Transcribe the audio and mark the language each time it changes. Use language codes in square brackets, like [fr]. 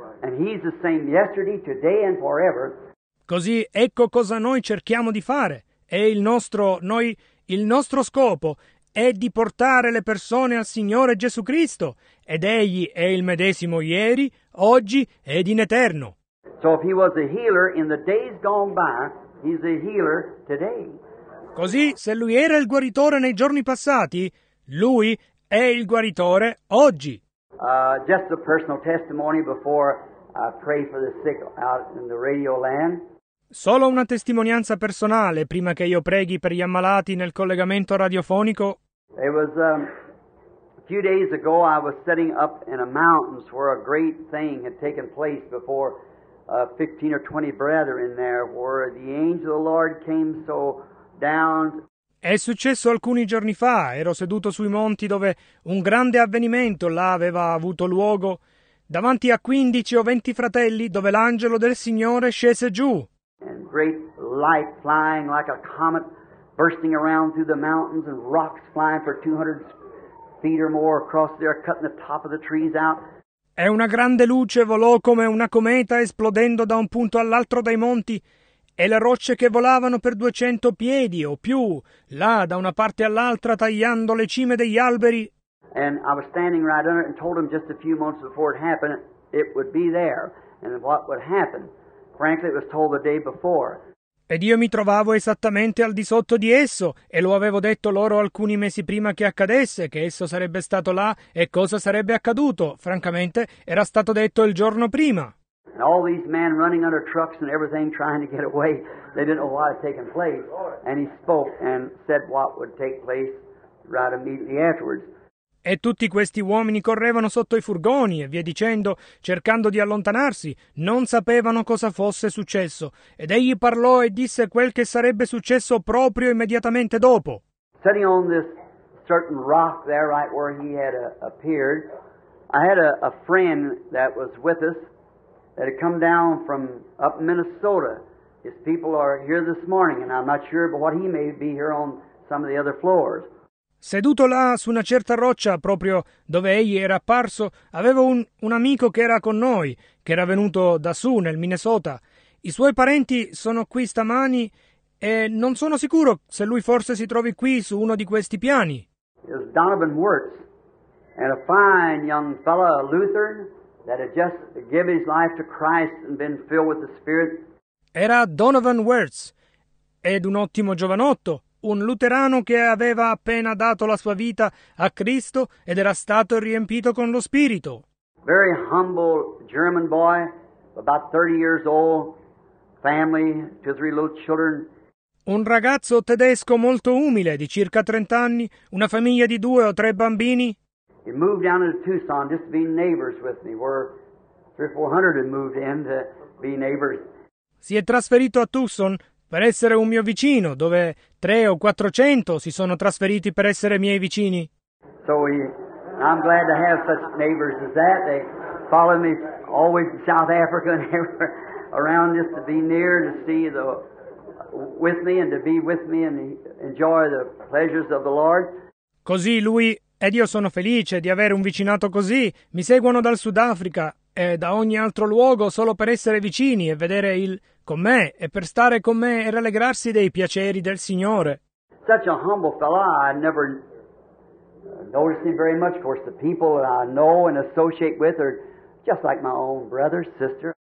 [en] And he's the same yesterday, today and forever. [it] Così ecco cosa noi cerchiamo di fare. È il nostro scopo è di portare le persone al Signore Gesù Cristo, ed egli è il medesimo ieri, oggi ed in eterno. [en] So if he was a healer in the days gone by, he's a healer today. [it] Così se lui era il guaritore nei giorni passati, lui è il guaritore oggi. [en] Just a personal testimony before I pray for the sick out in the radio land. [it] Solo una testimonianza personale prima che io preghi per gli ammalati nel collegamento radiofonico. [en] It was a few days ago I was setting up in a mountains where a great thing had taken place before 15 or 20 brethren there where the angel of the Lord came so down. [it] È successo alcuni giorni fa, ero seduto sui monti dove un grande avvenimento là aveva avuto luogo, davanti a 15 o 20 fratelli dove l'angelo del Signore scese giù. [en] And great light flying like a comet bursting around through the mountains and rocks flying for 200 feet or more across there, cutting the top of the trees out. [it] E una grande luce volò come una cometa esplodendo da un punto all'altro dai monti, e le rocce che volavano per 200 piedi o più, là da una parte all'altra tagliando le cime degli alberi. [en] And I was standing right under it and told him just a few months before it happened, it would be there and what would happen. Frankly, it was told the day before. [it] Ed io mi trovavo esattamente al di sotto di esso, e lo avevo detto loro alcuni mesi prima che accadesse, che esso sarebbe stato là, e cosa sarebbe accaduto. Francamente, era stato detto il giorno prima. [en] And all these men running under trucks and everything trying to get away, they didn't know what had taken place. And he spoke and said what would take place right immediately afterwards. [it] E tutti questi uomini correvano sotto i furgoni e via dicendo, cercando di allontanarsi, non sapevano cosa fosse successo. Ed egli parlò e disse quel che sarebbe successo proprio immediatamente dopo. [en] Sitting on this certain rock there right where he had appeared, I had a friend that was with us that had come down from up Minnesota. His people are here this morning and I'm not sure but what he may be here on some of the other floors. [it] Seduto là su una certa roccia, proprio dove egli era apparso, avevo un amico che era con noi, che era venuto da su nel Minnesota. I suoi parenti sono qui stamani e non sono sicuro se lui forse si trovi qui su uno di questi piani. [en] It's Donovan Wirtz, and a fine young fellow, a Lutheran, that had just given his life to Christ and been filled with the Spirit. [it] Era Donovan Wirtz, ed un ottimo giovanotto. Un luterano che aveva appena dato la sua vita a Cristo ed era stato riempito con lo Spirito. [en] Very humble German boy, about 30 years old, family, two or three little children. [it] Un ragazzo tedesco molto umile, di circa 30 anni, una famiglia di due o tre bambini. [en] He moved down to Tucson just to be neighbors with me. We're 300 or 400 and moved in to be neighbors. [it] Si è trasferito a Tucson per essere un mio vicino, dove 300 or 400 si sono trasferiti per essere miei vicini. [en] So I'm glad to have such neighbors as that. They follow me always in South Africa and around just to be near, to see the with me and to be with me and enjoy the pleasures of the Lord. [it] Così lui ed io sono felice di avere un vicinato così. Mi seguono dal Sudafrica da ogni altro luogo solo per essere vicini e vedere il con me e per stare con me e rallegrarsi dei piaceri del Signore. [en] Such a humble fellow, I never noticed him very much. Of course, the people that I know and associate with are just like my own brother, sister.